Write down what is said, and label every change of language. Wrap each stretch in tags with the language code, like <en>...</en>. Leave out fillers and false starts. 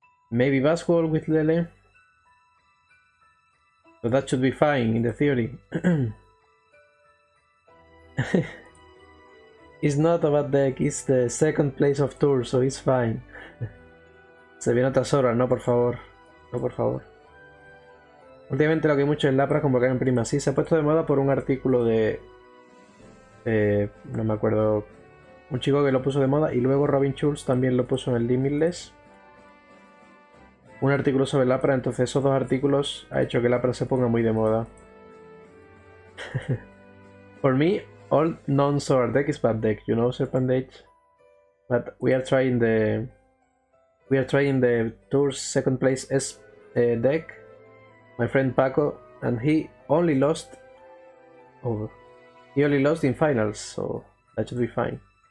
<en>Maybe basketball with Lele. But that should be fine in the theory. It's not a bad deck, it's the second place of tour, so it's fine.</en> <es>Se viene otra Zora, no por favor. No por favor. Últimamente lo que hay mucho es Lapras convocar en prima. Sí, se ha puesto de moda por un artículo de. No me acuerdo. Un chico que lo puso de moda y luego Robin Schulz también lo puso en el Limitless. Un artículo sobre Lapras, entonces esos dos artículos ha hecho que Lapras se ponga muy de moda. Por mí.</es> <en>All non-Zoroark deck is bad deck, you know, Serpentage. But we are trying the tour's second place S deck. My friend Paco, and he only lost. Oh, he only lost in finals, so that should be fine.</en>